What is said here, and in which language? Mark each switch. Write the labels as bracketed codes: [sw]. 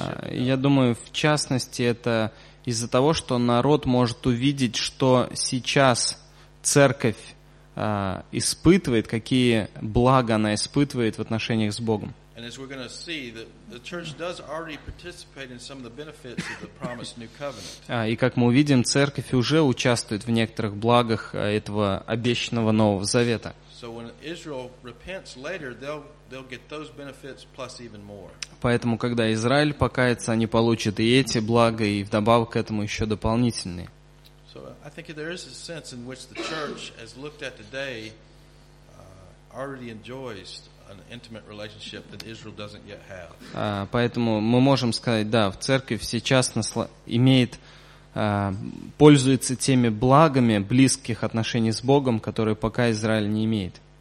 [ru] Я думаю, в частности, это из-за того, что народ может увидеть, что сейчас церковь испытывает, какие блага она испытывает в отношениях с Богом. [en] And as we're going to see, the church does already participate in some of the benefits of the promised new covenant. [ru] И как мы увидим, церковь уже участвует в некоторых благах этого обещанного нового завета. [en] So when Israel repents later, they'll get those benefits plus even more. [ru] Поэтому когда Израиль покается, они получат и эти блага, и вдобавок к этому еще дополнительные. [en] So I think there is a sense in which the church, as looked at today, already enjoys an intimate relationship that Israel doesn't yet have. [ru] Поэтому мы можем сказать, да, церковь сейчас имеет, пользуется теми благами близких отношений с Богом, которые пока Израиль не имеет.